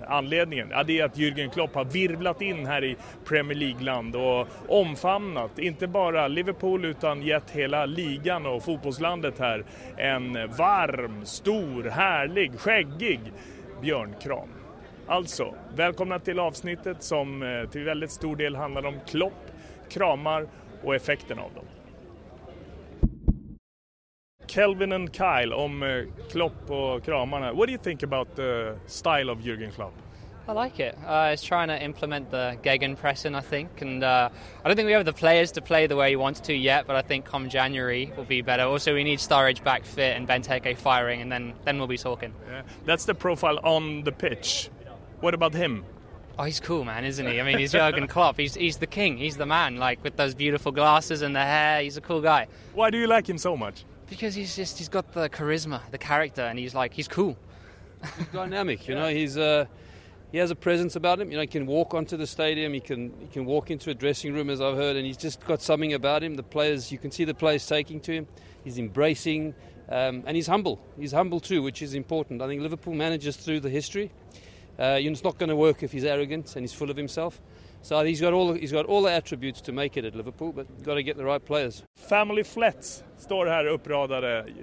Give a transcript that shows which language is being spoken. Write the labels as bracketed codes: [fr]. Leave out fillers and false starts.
[sv] Anledningen, ja, det är att Jürgen Klopp har virvlat in här i Premier League-land och omfamnat inte bara Liverpool utan gett hela ligan och fotbollslandet här en varm, stor, härlig, skäggig björnkram. Alltså, välkomna till avsnittet som till väldigt stor del handlar om Klopp, kramar och effekten av dem. Kelvin and Kyle, om Klopp och kramarna. [en] What do you think about the style of Jürgen Klopp? I like it. He's trying to implement the gegenpressing, I think. And I don't think we have the players to play the way he wants to yet, but I think come January will be better. Also, we need Sturridge back fit and Benteke firing, and then we'll be talking. Yeah. That's the profile on the pitch. What about him? Oh, he's cool, man, isn't he? I mean, he's Jürgen Klopp. He's the king. He's the man, like, with those beautiful glasses and the hair. He's a cool guy. Why do you like him so much? Because he's just, he's got the charisma, the character, and he's like, he's cool. He's dynamic, you know, he has a presence about him. You know, he can walk onto the stadium, he can walk into a dressing room, as I've heard, and he's just got something about him. The players, you can see the players taking to him, he's embracing, and he's humble. He's humble too, which is important. I think Liverpool manages through the history. You know, it's not going to work if he's arrogant and he's full of himself. So he's got all the attributes to make it at Liverpool, but you've got to get the right players. [sv] Family flat står här uppradade.